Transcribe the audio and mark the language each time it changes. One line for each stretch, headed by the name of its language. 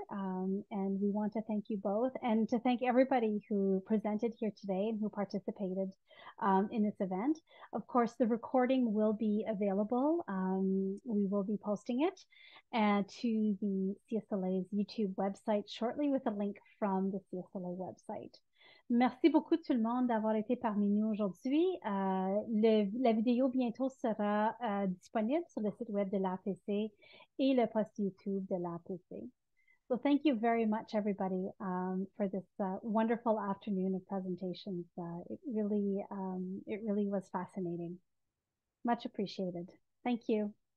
English: And we want to thank you both and to thank everybody who presented here today and who participated in this event. Of course, the recording will be available. We will be posting it to the CSLA's YouTube website shortly with a link from the CSLA website.
French: Merci beaucoup tout le monde d'avoir été parmi nous aujourd'hui. La vidéo bientôt sera disponible sur le site web de l'APC et le post YouTube de l'APC.
English: So thank you very much, everybody, for this wonderful afternoon of presentations. It really was fascinating. Much appreciated. Thank you.